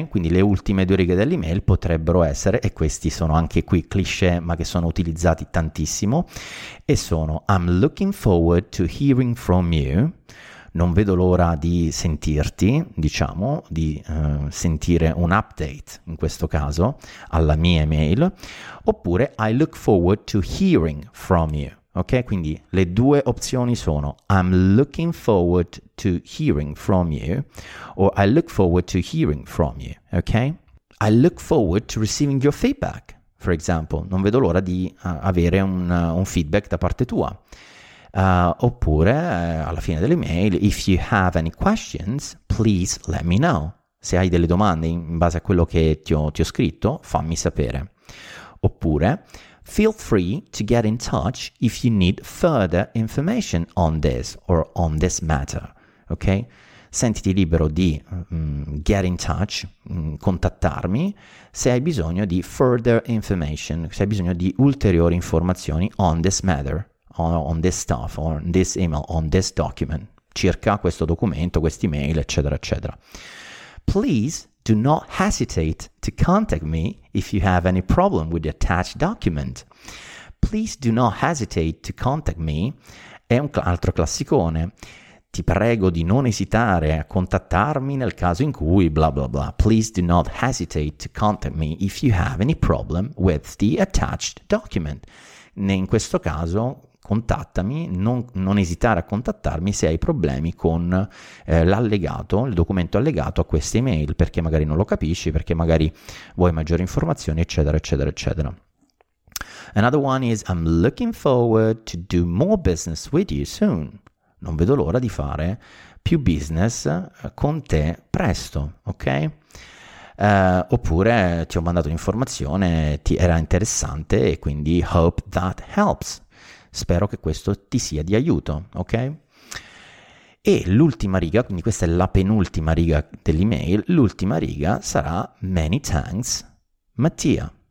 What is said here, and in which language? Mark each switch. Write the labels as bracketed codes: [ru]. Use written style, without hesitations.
[it] Quindi le ultime due righe dell'email potrebbero essere, e questi sono anche qui cliché, ma che sono utilizzati tantissimo, e sono [en] I'm looking forward to hearing from you. [it] Non vedo l'ora di sentirti, diciamo, di sentire un update, in questo caso, alla mia email. Oppure, [en] I look forward to hearing from you. Ok? [it] Quindi le due opzioni sono [en] I'm looking forward to hearing from you or I look forward to hearing from you. Ok? I look forward to receiving your feedback, for example. [it] Non vedo l'ora di avere un feedback da parte tua. Oppure alla fine dell'email, [en] if you have any questions, please let me know. [it] Se hai delle domande in base a quello che ti ho scritto, fammi sapere. [en] Oppure, feel free to get in touch if you need further information on this or on this matter. [it] Ok? Sentiti libero di [en] get in touch, [it] contattarmi, se hai bisogno di [en] further information, [it] se hai bisogno di ulteriori informazioni [en] on this matter. On this stuff, on this email, on this document, [it] circa questo documento, questa email, eccetera, eccetera. [en] Please do not hesitate to contact me if you have any problem with the attached document. Please do not hesitate to contact me. [it] È un altro classicone. Ti prego di non esitare a contattarmi nel caso in cui bla bla bla. [en] Please do not hesitate to contact me if you have any problem with the attached document. [it] Né in questo caso. Contattami, non esitare a contattarmi se hai problemi con l'allegato, il documento allegato a questa email, perché magari non lo capisci, perché magari vuoi maggiori informazioni, eccetera, eccetera, eccetera. [en] Another one is I'm looking forward to do more business with you soon. [it] Non vedo l'ora di fare più business con te presto, ok? Oppure ti ho mandato un'informazione, ti era interessante e quindi [en] hope that helps. [it] Spero che questo ti sia di aiuto, ok? E l'ultima riga, quindi questa è la penultima riga dell'email, l'ultima riga sarà [en] Many thanks, [it] Mattia.